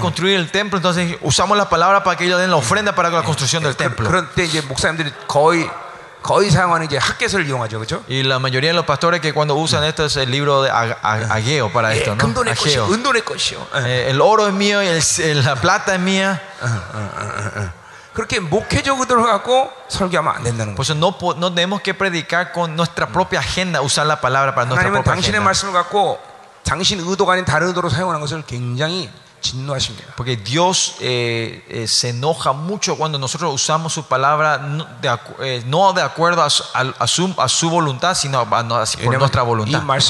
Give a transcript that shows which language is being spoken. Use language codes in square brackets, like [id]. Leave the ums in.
[es] construir el templo, entonces usamos la palabra para que ellos den la ofrenda yeah. para la yeah. construcción del que, templo. [ko] 거의, 거의 이용하죠, [es] y la mayoría de los pastores que cuando usan esto es el libro de A, A, A, Ageo para esto, no? Ageo. El oro es mío, y el, la plata es mía. [ko] Uh, 그렇게 목회적으로 갖고 설교하면 안 된다는 거예요. [es] No, no tenemos que predicar con nuestra propia agenda, usar la palabra para nuestra propia agenda. [ko] 당신의 말씀을 갖고 당신 의도가 아닌 다른 의도로 사용하는 것을 굉장히 [es] Porque Dios eh, se enoja mucho cuando nosotros usamos su palabra de, eh, no de, acuerdo a su, a su voluntad, sino con nuestra y voluntad.